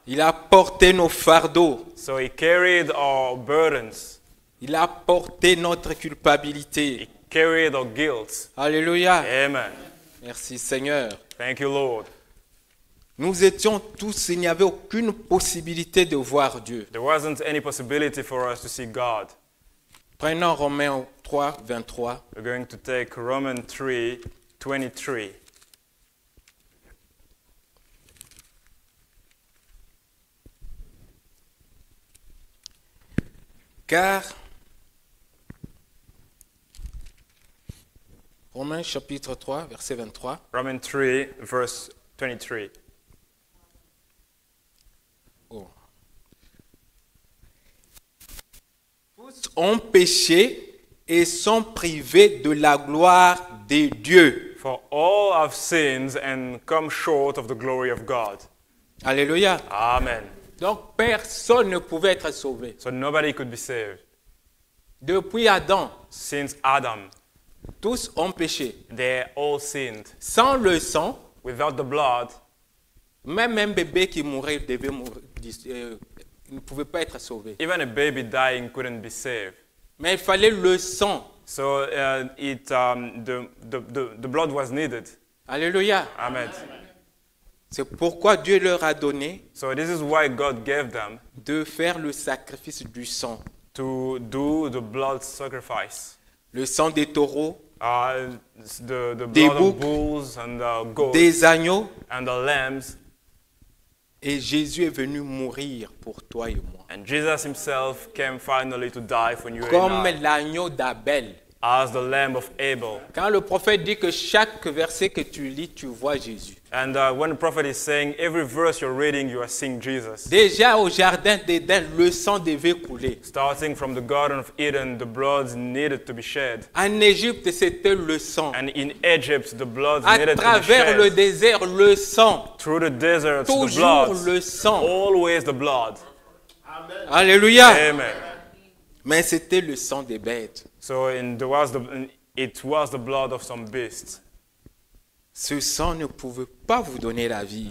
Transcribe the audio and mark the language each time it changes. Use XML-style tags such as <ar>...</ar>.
<fr>Il a porté nos fardeaux.</fr> <en>So he carried our burdens.</en> <fr>Il a porté notre culpabilité.</fr> <en>He carried our guilt.</en> <fr>Alléluia.</fr> <en>Amen.</en> <fr>Merci Seigneur.</fr> <en>Thank you Lord.</en> <fr>Nous étions tous, il n'y avait aucune possibilité de voir Dieu.</fr> <en>There wasn't any possibility for us to see God.</en> <fr>Prenons Romains 3, 23.</fr> <en>We're going to take Romans 3, 23.</en> <fr>Car Romains chapitre 3, verset 23.</fr> <en>Romans 3, verse 23.</en> <fr>Ont péché et sont privés de la gloire de Dieu.</fr> <en>For all have sinned and come short of the glory of God.</en> <fr>Alléluia.</fr> <en>Amen.</en> <fr>Donc personne ne pouvait être sauvé.</fr> <en>So nobody could be saved.</en> <fr>Depuis Adam.</fr> <en>Since Adam.</en> <fr>Tous ont péché.</fr> <en>They all sinned.</en> <fr>Sans le sang.</fr> <en>Without the blood.</en> <fr>Même un bébé qui mourait devait mourir. Il ne pouvait pas être sauvé.</fr> <en>Even a baby dying couldn't be saved.</en> <fr>Mais il fallait le sang.</fr> <en>So the blood was needed.</en> <fr>Alléluia.</fr> <en>Amen.</en> <fr>C'est pourquoi Dieu leur a donné.</fr> <en>So this is why God gave them.</en> <fr>De faire le sacrifice du sang.</fr> <en>To do the blood sacrifice.</en> <fr>Le sang des taureaux.</fr> <en>The blood</en> <fr>des</fr> <en>of bulls and goats.</en> <fr>Des agneaux.</fr> <en>And the lambs.</en> <fr>Et Jésus est venu mourir pour toi et moi.</fr> <en>And Jesus himself came finally to die for you.</en> <fr>Comme</fr> <en>and I.</en> <fr>L'agneau d'Abel.</fr> <en>As the lamb of Abel.</en> <fr>Quand le prophète dit que chaque verset que tu lis, tu vois Jésus.</fr> <en>And when the prophet is saying every verse you're reading, you are seeing Jesus.</en> <fr>Déjà au jardin d'Éden, le sang devait couler.</fr> <en>Starting from the Garden of Eden, the blood needed to be shed.</en> <fr>En Égypte, c'était le sang.</fr> <en>And in Egypt, the blood</en> <fr>à</fr> <en>needed to be shed.</en> <fr>À travers le désert, le sang.</fr> <en>Through the desert,</en> <fr>toujours</fr> <en>the blood.</en> <fr>Toujours le sang.</fr> <en>Always the blood.</en> <fr>Amen. Alléluia.</fr> <en>Amen.</en> <fr>Mais c'était le sang des bêtes.</fr> <en>So it was the blood of some beasts.</en> <fr>Ce sang ne pouvait pas vous donner la vie.</fr>